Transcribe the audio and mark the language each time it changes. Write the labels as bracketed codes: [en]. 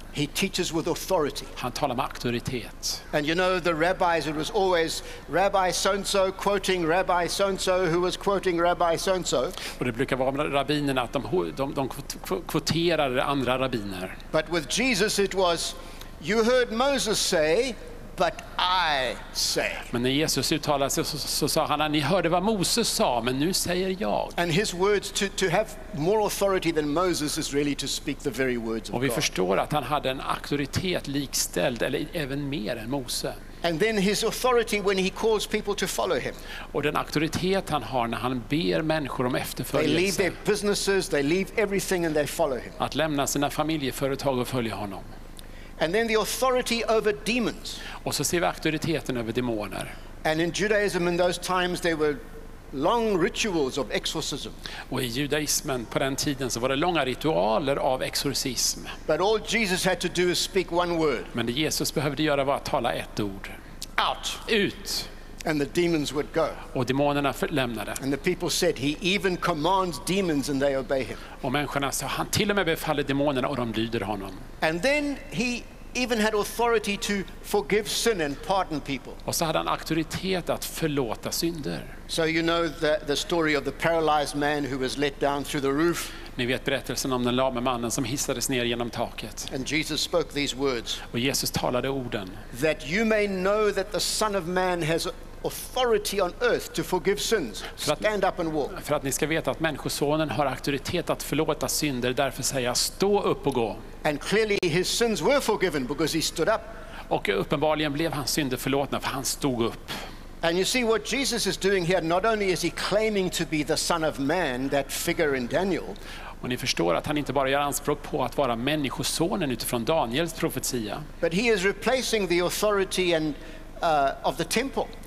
[en] He teaches with authority. [sv] Han talar med auktoritet. [en] And you know the rabbis, it was always Rabbi so-and-so quoting Rabbi so-and-so who was quoting Rabbi so-and-so. [sv] Och det brukar vara rabbinerna att de kvoterade andra rabbiner. [en] But with Jesus it was, you heard Moses say, but I say. [sv] Men när Jesus uttalade sig så sa han, ni hörde vad Moses sa, men nu säger jag. [en] And his words to have more authority than Moses is really to speak the very words of God. [sv] Och vi förstår att han hade en auktoritet likställd eller även mer än Mose. [en] And then his authority when he calls people to follow him. [sv] Och den auktoritet han har när han ber människor om efterföljelse. [en] They leave their businesses, they leave everything and they follow him. [sv] Att lämna sina familjeföretag och följa honom. [en] And then the authority over demons. [sv] Och så ser vi auktoriteten över demoner. [en] And in Judaism in those times there were long rituals of exorcism. [sv] Och i judaismen på den tiden så var det långa ritualer av exorcism. [en] But all Jesus had to do is speak one word. [sv] Men det Jesus behövde göra var att tala ett ord. [en] Out. [sv] Ut. [en] And the demons would go. [sv] Och demonerna lämnade. [en] And the people said, he even commands demons and they obey him. [sv] Och människorna sa, han till och med befaller demonerna och de lyder honom. [en] And then he even had authority to forgive sin and pardon people. [sv] Och så hade han auktoritet att förlåta synder. [en] So you know the story of the paralyzed man who was let down through the roof. [sv] Ni vet berättelsen om den lame mannen som hissades ner genom taket. [en] And Jesus spoke these words. [sv] Och Jesus talade orden. [en] That you may know that the Son of Man has authority on earth to forgive sins. Stand up and walk. [sv] För att ni ska veta att människosonen har auktoritet att förlåta synder, därför säger jag, stå upp och gå. [en] And clearly his sins were forgiven because he stood up. [sv] Och uppenbarligen blev hans synder förlåtna för han stod upp. [en] And you see what Jesus is doing here, not only is he claiming to be the Son of Man, that figure in Daniel. [sv] Och ni förstår att han inte bara gör anspråk på att vara människosonen utifrån Daniels profetia. [en] But he is replacing the authority and of the temple.